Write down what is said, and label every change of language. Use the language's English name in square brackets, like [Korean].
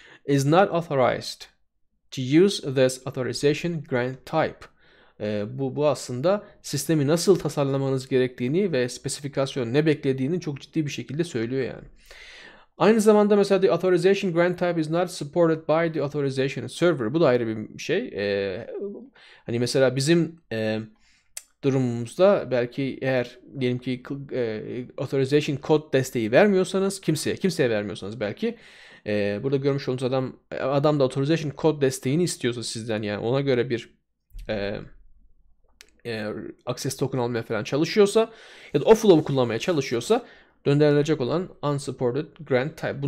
[English] Is not authorized to use this authorization grant type. [Turkish] Bu aslında sistemi nasıl tasarlamanız gerektiğini ve spesifikasyon ne beklediğini çok ciddi bir şekilde söylüyor yani. Aynı zamanda mesela [English] the authorization grant type is not supported by the authorization server. [Turkish] Bu da ayrı bir şey. Hani mesela bizim durumumuzda belki eğer diyelim ki authorization code desteği vermiyorsanız kimseye vermiyorsanız belki burada görmüş olduğunuz adam da authorization code desteğini istiyorsa sizden yani ona göre bir access token almaya falan çalışıyorsa ya da o flow'u kullanmaya çalışıyorsa döndürülecek olan unsupported grant type.